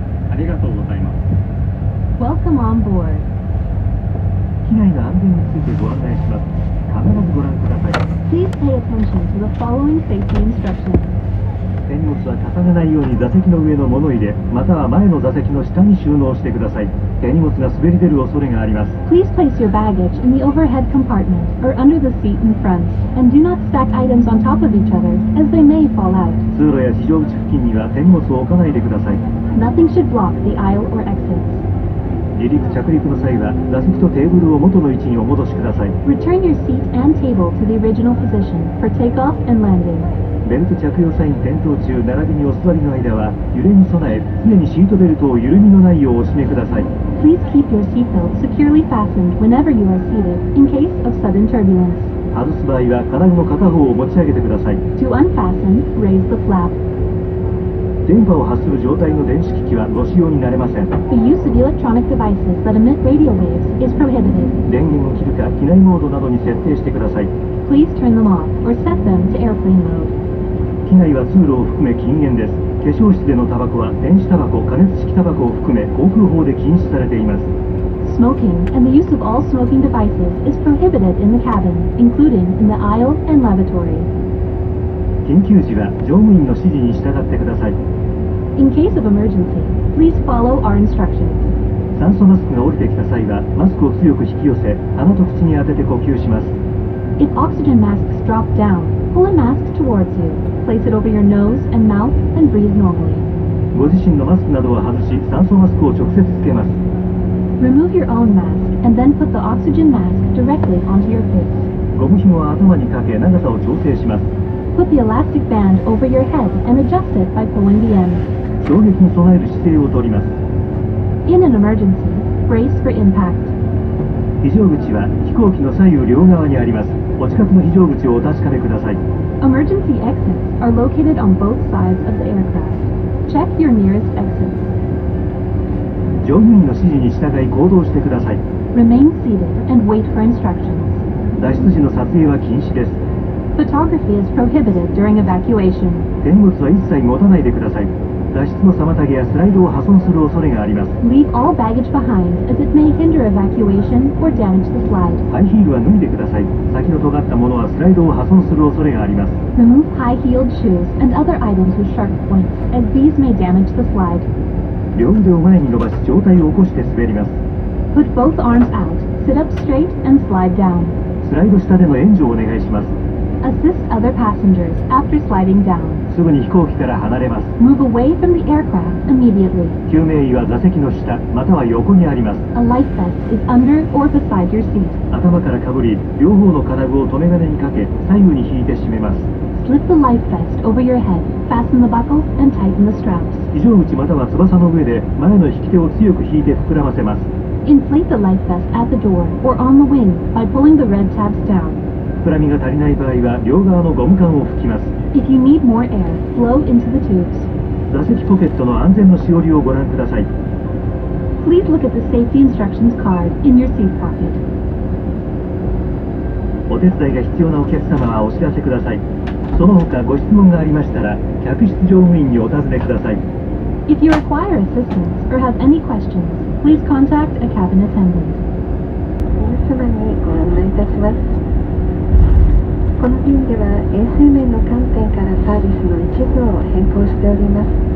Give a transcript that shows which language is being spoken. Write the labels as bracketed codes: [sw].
[ja] ありがとうございます。 [en] Welcome on board. [ja] 機内の安全についてご案内します。必ずご覧ください。 [en] Please pay attention to the following safety instructions. [ja] 手荷物は重ねないように座席の上の物入れ、または前の座席の下に収納してください。手荷物が滑り出る恐れがあります。 [en] Please place your baggage in the overhead compartment or under the seat in front, and do not stack items on top of each other, as they may fall out. [ja] 通路や非常口付近には手荷物を置かないでください。 [en] Nothing should block the aisle or exits. [ja] 離陸着陸の際は座席とテーブルを元の位置にお戻しください。 [en] Return your seat and table to the original position for takeoff and landing. [ja] ベルト着用サイン点灯中、並びにお座りの間は揺れに備え、常にシートベルトを緩みのないようお締めください。 [en] Please keep your seatbelt securely fastened whenever you are seated in case of sudden turbulence. [ja] 外す場合は金具の片方を持ち上げてください。 [en] To unfasten, raise the flap. [ja] 電波を発する状態の電子機器はご使用になれません。 [en] The use of electronic devices that emit radio waves is prohibited. [ja] 電源を切るか機内モードなどに設定してください。 [en] Please turn them off or set them to airplane mode. [ja] 機内は通路を含め禁煙です。化粧室でのタバコは電子タバコ、加熱式タバコを含め航空法で禁止されています。 [en] Smoking and the use of all smoking devices is prohibited in the cabin, including in the aisle and lavatory. [ja] 緊急時は乗務員の指示に従ってください。 [en] In case of emergency, please follow our instructions. [ja] 酸素マスクが降りてきた際はマスクを強く引き寄せ、鼻と口に当てて呼吸します。 [en] If oxygen masks drop down, pull a mask towards you. Place it over your nose and mouth and breathe normally. [ja] ご自身のマスクなどは外し、酸素マスクを直接つけます。 [en] Remove your own mask and then put the oxygen mask directly onto your face. [ja] ゴム紐は頭にかけ、長さを調整します。 [en] Put the elastic band over your head and adjust it by pulling the end. [ja] 衝撃に備える姿勢をとります。 [en] In an emergency, brace for impact. [ja] 非常口は飛行機の左右両側にあります。お近くの非常口をお確かめください。 [en] Emergency exits are located on both sides of the aircraft. Check your nearest exit. [ja] 乗務員の指示に従い行動してください。 [en] Remain seated and wait for instructions. [ja] 脱出時の撮影は禁止です。 [en] Photography is prohibited during evacuation. [ja] 手荷物は一切持たないでください。脱出の妨げやスライドを破損する恐れがあります。 [en] Leave all baggage behind as it may hinder evacuation or damage the slide. [ja] ハイヒールは脱いでください。先の尖ったものはスライドを破損する恐れがあります。 [en] Remove high-heeled shoes and other items with sharp points as these may damage the slide. [ja] 両腕を前に伸ばし上体を起こして滑ります。 [en] Put both arms out, sit up straight and slide down. [ja] スライド下での援助をお願いします。 [en] Assist other passengers after sliding down. [ja] すぐに飛行機から離れます。 [en] Move away from the aircraft immediately. [ja] 救命衣は座席の下または横にあります。 [en] A life vest is under or beside your seat. [ja] 頭からかぶり、両方の金具を留め金にかけ左右に引いて締めます。 [en] Slip the life vest over your head, fasten the buckles, and tighten the straps. [ja] 非常口または翼の上で前の引き手を強く引いて膨らませます。 [en] Inflate the life vest at the door or on the wing by pulling the red tabs down. [ja] 膨らみが足りない場合は両側のゴム管を吹きます。 [en] If you need more air, blow into the tubes. [ja] 座席ポケットの安全のしおりをご覧ください。 [en] Please look at the safety instructions card in your seat pocket. [ja] お手伝いが必要なお客様はお知らせください。その他ご質問がありましたら、客室乗務員にお尋ねください。 [en] If you require assistance or have any questions, please contact a cabin attendant. [ja] 皆様にご案内いたします。この便では衛生面の観点からサービスの一部を変更しております。